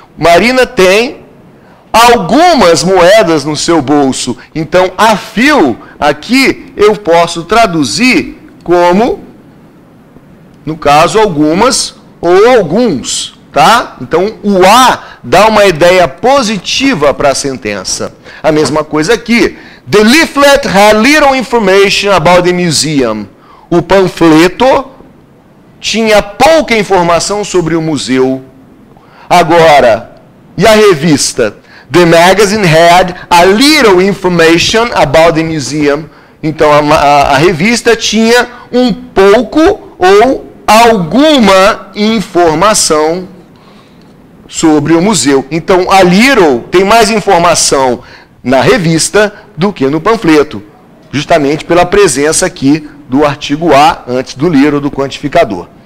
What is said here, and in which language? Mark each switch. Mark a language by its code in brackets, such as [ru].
[pt] Marina tem algumas moedas no seu bolso, então [en] a few [pt] aqui eu posso traduzir como, no caso, algumas ou alguns, tá? Então, o A dá uma ideia positiva para a sentença. A mesma coisa aqui. [en] The leaflet had little information about the museum. [pt] O panfleto tinha pouca informação sobre o museu. Agora, e a revista? [en] The magazine had a little information about the museum. [pt] Então, a revista tinha um pouco ou alguma informação sobre o museu. Então, a little tem mais informação na revista do que no panfleto, justamente pela presença aqui do artigo A antes do little, do quantificador.